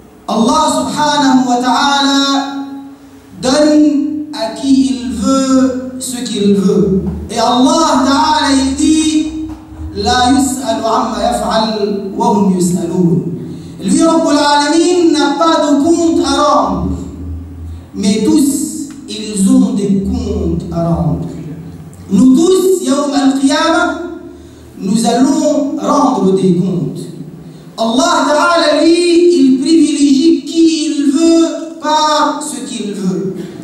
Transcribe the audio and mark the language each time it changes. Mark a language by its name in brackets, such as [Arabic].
[Arabic] الله سبحانه وتعالى [French] donne à qui il veut ce qu'il veut. Et Allah تعالى il dit [Arabic] لا يسأل عما يفعل وهم يسألون. [French] Lui [Arabic] رب العالمين [French] n'a pas de compte à rendre. Mais tous ils ont des comptes à rendre. Nous tous [Arabic] يوم القيامة [French] nous allons rendre des comptes. Allah Ta'ala, lui, il privilégie qui il veut par ce qu'il veut.